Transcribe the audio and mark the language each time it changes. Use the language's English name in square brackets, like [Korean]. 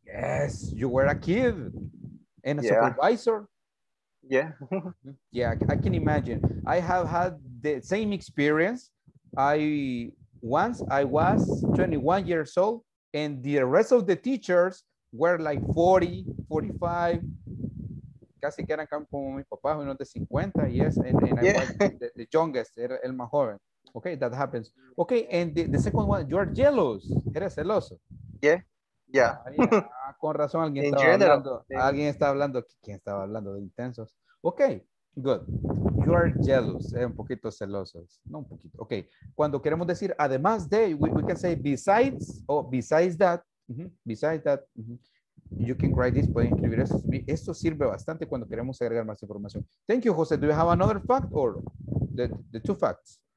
[English] Yes, you were a kid and a supervisor. Yeah. Yeah, I can imagine. I have had the same experience. I was 21 years old, and the rest of the teachers were like 40, 45. [Spanish] Casi que eran como mis papás, unos de 50, yes. [English] And I was the youngest, el más joven. Okay, that happens. Okay, and the second one, you are jealous. Eres celoso. Yeah. Yeah. [Spanish] Con razón alguien in estaba general, hablando. Yeah. Alguien está hablando. ¿Quién estaba hablando de intensos? [English] Ok, good. You are jealous. Un poquito celosos. No, un poquito. Ok. Cuando queremos decir además de, we can say besides o besides that. Mm-hmm. Besides that. Mm-hmm. You can write this, pueden escribir eso. [Spanish] Esto sirve bastante cuando queremos agregar más información. [English] Thank you, José. Do you have another fact or the two facts?